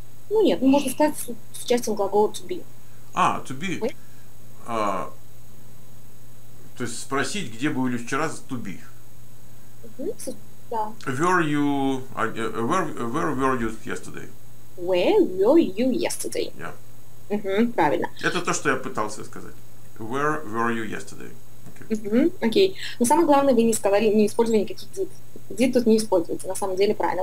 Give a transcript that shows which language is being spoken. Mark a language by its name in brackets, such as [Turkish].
[Russian] Ну нет, можно сказать с участием глагола to be. А, to be. То есть спросить, где были вчера, to be. Да. [English] Where were you yesterday? Where were you yesterday? Yeah. [Russian] Uh-huh, правильно. Это то, что я пытался сказать. [English] Where were you yesterday? Окей. Okay. [Russian] Но самое главное, вы не сказали, не использовали никаких did. Did тут не используется, на самом деле правильно.